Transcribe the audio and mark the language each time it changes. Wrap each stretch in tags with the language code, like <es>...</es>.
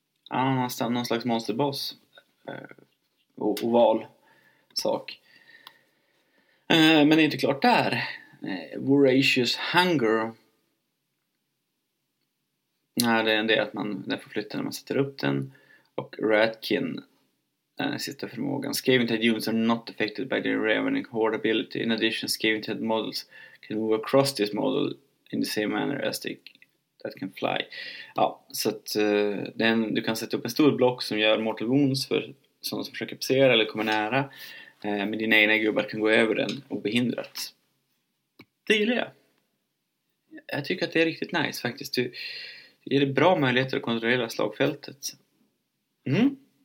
<sv>Annanstans, någon slags monsterbas. Oval sak. Men det är inte klart där. Voracious Hunger. Nej, det är en del att man den får flytta när man sätter upp den. Och Ratkin, sista förmågan.</sv> <en>Skaven Tide units are not affected by the Ravening Horde ability. In addition, Skaven Tide models can move across this model in the same manner as they that can fly.</en> <sv>Ja, så att den, du kan sätta upp en stor block som gör mortal wounds för sådana som försöker passera eller kommer nära. Men dina egna gubbar kan gå över den obehindrat. Det gillar jag. Jag tycker att det är riktigt nice faktiskt. Du ger dig bra möjligheter att kontrollera slagfältet. Mm.</sv>